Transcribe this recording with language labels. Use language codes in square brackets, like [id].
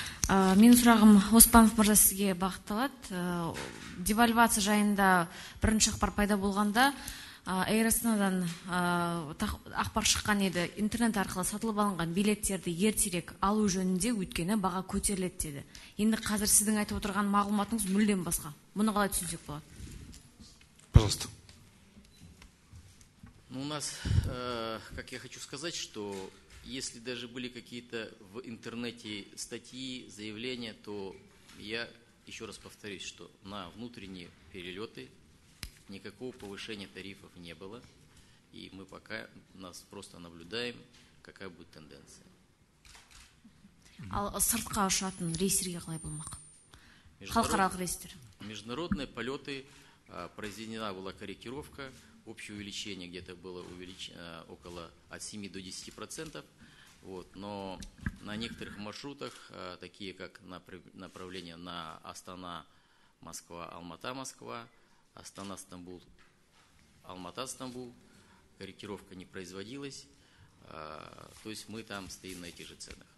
[kk] Менің сұрағым Оспанов мырза сізге бағытталады. Девальвация жайында бірінші ақпар пайда болғанда, Air Astana-дан ақпар шыққан еді, интернет арқылы сатылып алынған билеттерді ертерек алу жөнінде өткені баға көтеріледі деді. Енді қазір сіздің айтып отырған мағлұматыңыз мүлдем басқа. Мұны қалай түсінсек болады? [ru] Пожалуйста. Ну, у нас, как я хочу сказать, что если даже были какие-то в интернете статьи, заявления, то я еще раз повторюсь, что на внутренние перелеты никакого повышения тарифов не было. И мы пока, нас просто наблюдаем, какая будет тенденция. [kk] Ал сыртқа ұшатын рейстерге қалай болмақ? Халықаралық рейстер. [ru] Международные полеты, произведена была корректировка. Общее увеличение где-то было около от 7 до 10%. Вот. Но на некоторых маршрутах, такие как направление на Астана-Москва, Алмата-Москва, Астана-Стамбул, Алмата-Стамбул, корректировка не производилась. То есть мы там стоим на этих же ценах.